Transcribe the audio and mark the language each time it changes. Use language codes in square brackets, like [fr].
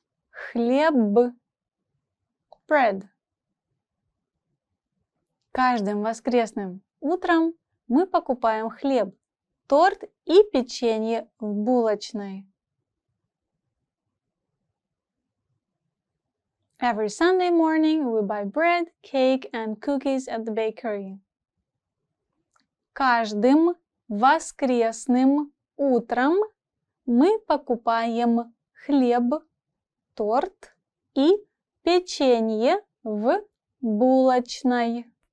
[ru] Хлеб. Bread. Каждым воскресным утром мы покупаем хлеб, торт и печенье в булочной. [en] Every Sunday morning we buy bread, cake and cookies at the bakery. [ru] Каждым воскресным утром мы покупаем хлеб, торт и печенье в булочной.